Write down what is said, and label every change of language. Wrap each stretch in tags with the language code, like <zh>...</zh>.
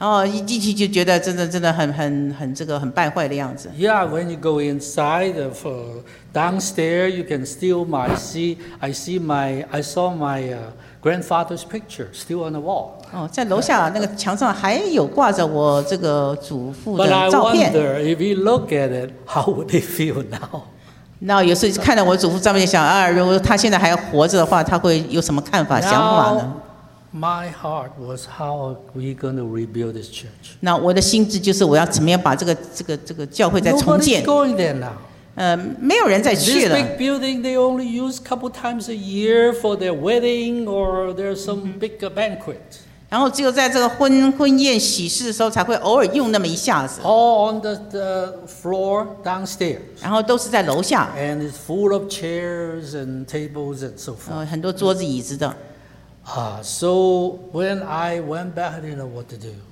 <zh>一进去就觉得真的很这个很败坏的样子。</zh> <en>Yeah, when you go inside, downstairs, you can still I saw my grandfather's picture still on the wall.</en> <zh>在楼下那个墙上还有挂着我这个祖父的照片。</zh> <en>But I wonder if you look at it, how would they feel now?</en> <zh>那有时看到我祖父照片，想如果他现在还活着的话，他会有什么看法、想法呢</zh> <en>？My heart was how are we going to rebuild this church？</en> <zh>那我的心智就是我要怎么样把这个教会再重建。</zh> <en>Nobody's going there now.</en> <zh>没有人再去了。</zh> <en>This big building they only use a couple times a year for their wedding or there's some big banquet.</en> <zh>然后只有在这个婚宴喜事的时候才会偶尔用那么一下子。</zh> <en>All on the floor downstairs.</en> <zh>然后都是在楼下。</zh> <en>And it's full of chairs and tables and so forth.</en> <zh>很多桌子椅子的。</zh> <en>So when I went back, I didn't know what to do.</en>